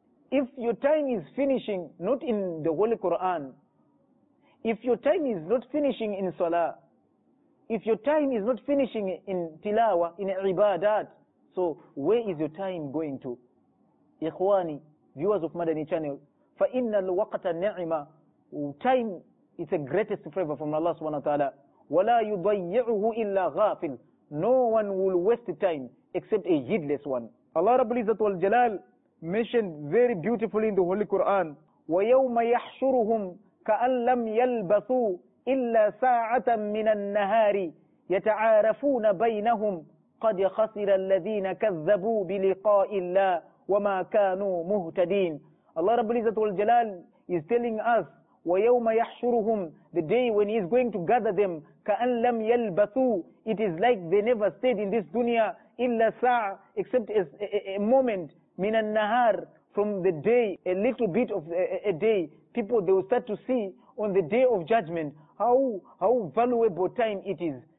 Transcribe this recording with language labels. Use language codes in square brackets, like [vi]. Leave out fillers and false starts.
[en] If your time is finishing not in the Holy Quran, if your time is not finishing in salah, if your time is not finishing in tilawa, in ibadat, so where is your time going to? Ikhwani, viewers of Madani Channel, [ar] فَإِنَّ الْوَقْتَ نِعْمَةٌ, [en] time is the greatest favor from Allah subhanahu wa ta'ala. [ar] وَلَا يُضَيِّعُهُ إِلَّا غَافِلٌ, [en] no one will waste time except a heedless one. Allah Rabbul Izzat wal Jalal mentioned very beautifully in the Holy Quran, [ar] وَيَوْمَ يَحْشُرُهُمْ كَأَنْ لَمْ يَلْبَثُوا إِلَّا سَاعَةً مِنَ النَّهَارِ يَتَعَارَفُونَ بَيْنَهُمْ قَدْ خَسِرَ الَّذِينَ كَذَّبُوا بِلِقَاءِ اللَّهِ وَمَا كَانُوا مُهْتَدِينَ. [en] Allah Rabbul Izzat wal Jalal is telling us, [ar] وَيَوْمَ يَحْشُرُهُمْ, [en] the day when He is going to gather them, [ar] كَأَنْ لَمْ يَلْبَثُوا, [en] it is like they never stayed in this dunya, [ar] إِلَّا سَاعَ, [en] except a moment, [ar] مِنَ النَّهَارِ, [en] from the day, a little bit of a day, people, they will start to see on the day of judgment how valuable time it is.